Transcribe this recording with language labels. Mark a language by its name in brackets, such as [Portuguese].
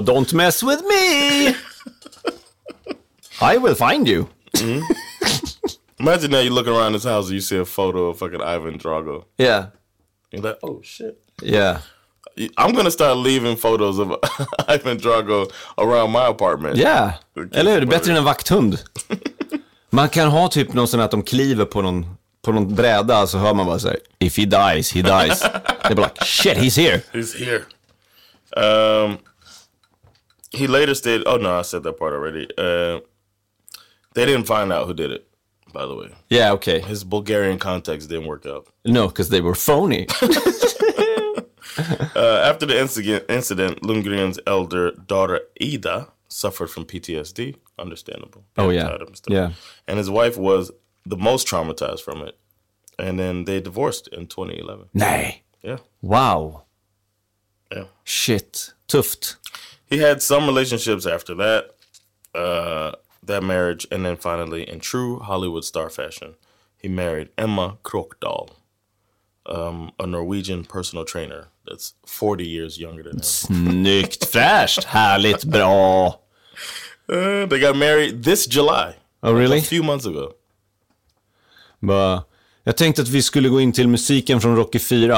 [English] don't mess with me. I will find you. Mm-hmm. Imagine now you look around this house and you see a photo of fucking Ivan Drago. Yeah. You're like, oh, shit. Yeah. I'm going to start leaving photos of Ivan Drago around my apartment. [Swedish] Yeah. Eller hur? Bättre än en vakthund. Man kan ha typ någon sån att de kliver på någon bräda, så hör man bara så här, [English] if he dies, he dies. They're like, shit, he's here. He's here. He later stated, oh no, I said that part already. They didn't find out who did it, by the way. Yeah, okay. His Bulgarian contacts didn't work out. No, because they were phony. After the incident, Lundgren's elder daughter Ida suffered from PTSD. Understandable. Oh, yeah. Yeah. And his wife was the most traumatized from it. And then they divorced in 2011. Nay. Yeah. Wow. Yeah. Shit. Tuft. He had some relationships after that, that marriage. And then finally, in true Hollywood star fashion, he married Emma Krokdal. A Norwegian personal trainer that's 40 years younger than him. [Swedish] Snyggt, fräscht, härligt, bra. [English] They got married this July. Oh, really? A few months ago. [Swedish] But, jag tänkte att vi skulle gå in till musiken från Rocky 4.